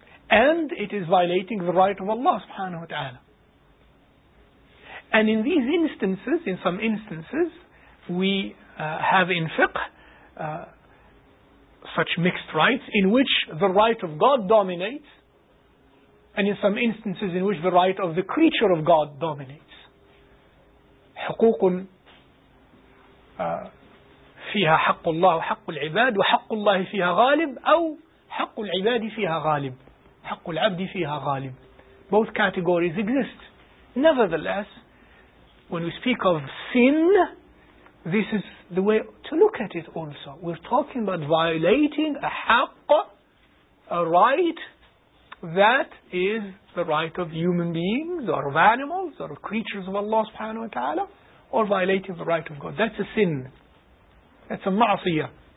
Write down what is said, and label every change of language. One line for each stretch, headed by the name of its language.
English: And it is violating the right of Allah subhanahu wa ta'ala. And in these instances, in some instances, we have in fiqh such mixed rights in which the right of God dominates, and in some instances in which the right of the creature of God dominates.
Arabic: حقوق فيها حق الله وحق العباد وحق الله فيها غالب أو حق العباد فيها غالب حق العبد فيها غالب.
English: Both categories exist. Nevertheless, when we speak of sin, this is the way to look at it also. We're talking about violating a حق, a right that is the right of human beings or of animals or of creatures of Allah subhanahu wa ta'ala, or violating the right of God. That's a sin. That's a ma'asiyah.